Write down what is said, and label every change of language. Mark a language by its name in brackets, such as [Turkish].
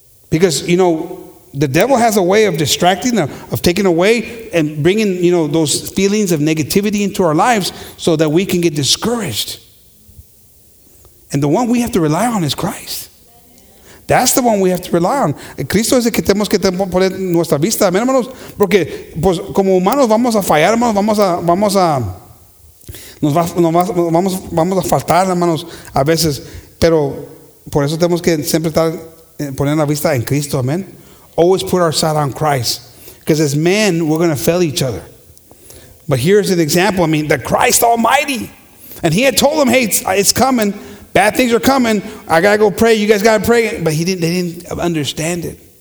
[English] Because, you know, the devil has a way of distracting, of taking away and bringing, you know, those feelings of negativity into our lives so that we can get discouraged. And the one we have to rely on is Christ. That's the one we have to rely on. [Spanish] Cristo es el que tenemos que poner nuestra vista, amén, hermanos. Porque, pues, como humanos vamos a fallar, hermanos, vamos a faltar, hermanos, a veces. Pero por eso tenemos que siempre estar poniendo la vista en Cristo, amén. [English] Always put our sight on Christ, because as men we're going to fail each other. But here's an example. I mean, the Christ Almighty, and he had told them, "Hey, it's coming. Bad things are coming. I gotta go pray. You guys gotta pray." But he didn't. They didn't understand it.